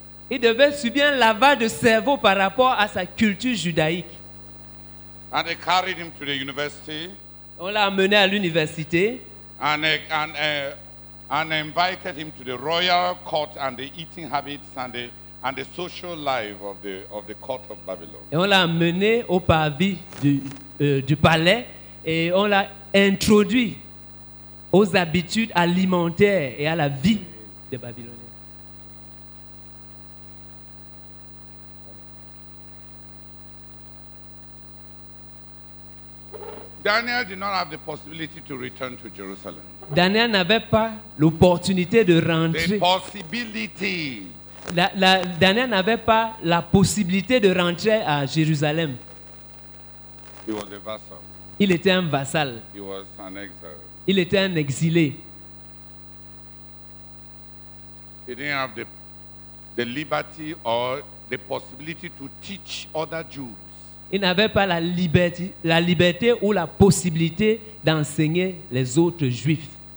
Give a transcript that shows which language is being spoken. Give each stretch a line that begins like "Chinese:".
French: Il devait subir un lavage de cerveau par rapport à sa culture judaïque.
English: And they carried him to the university.
French: On l'a amené à l'université.
English: And invited him to the royal court and the eating habits and the and the social life of the court of Babylon.
French: Et on l'a amené au parvis du palais et on l'a introduit aux habitudes alimentaires et à la vie des Babyloniens.
English: Daniel did not have the possibility to return to Jerusalem.
French: Daniel n'avait pas l'opportunité de rentrer.
English: The possibility.
French: Daniel n'avait pas la possibilité de rentrer à Jérusalem.
English: He was a vassal.
French: Il était un vassal.
English: He was an exile.
French: Il était un exilé.
English: He didn't have the liberty or the possibility to teach other Jews.
French: Il n'avait pas la liberté ou la possibilité d'enseigner les autres Juifs.